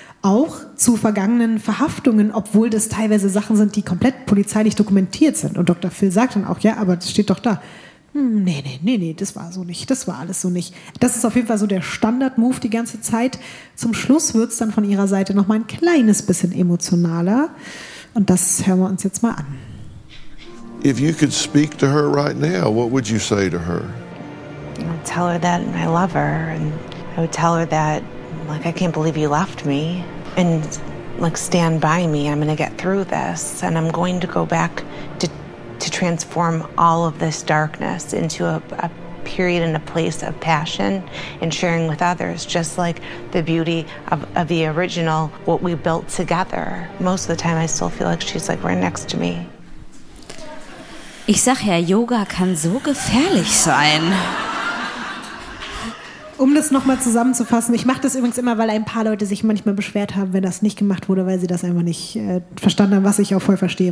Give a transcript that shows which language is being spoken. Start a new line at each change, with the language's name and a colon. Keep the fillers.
German: Auch zu vergangenen Verhaftungen, obwohl das teilweise Sachen sind, die komplett polizeilich dokumentiert sind. Und Dr. Phil sagt dann auch, ja, aber das steht doch da nee, nee, nee, nee, das war so nicht, das war alles so nicht. Das ist auf jeden Fall so der Standard-Move die ganze Zeit. Zum Schluss wird es dann von ihrer Seite noch mal ein kleines bisschen emotionaler. Und das hören wir uns jetzt mal an.
English: If you could speak to her right now, what would you say to her? I'd tell her that I love her and I would tell her that, like, I can't believe you left me and, like, stand by me. I'm going to get through this and I'm going to go back to to transform all of this darkness into a, a, period and a place of passion and sharing with others, just like the beauty of, of the original, what we built together. Most of the time, I still feel like she's like right next to me.
German: Ich sag ja, Yoga kann so gefährlich sein. Um das nochmal zusammenzufassen, ich mache das übrigens immer, weil ein paar Leute sich manchmal beschwert haben, wenn das nicht gemacht wurde, weil sie das einfach nicht äh, verstanden haben, was ich auch voll verstehe.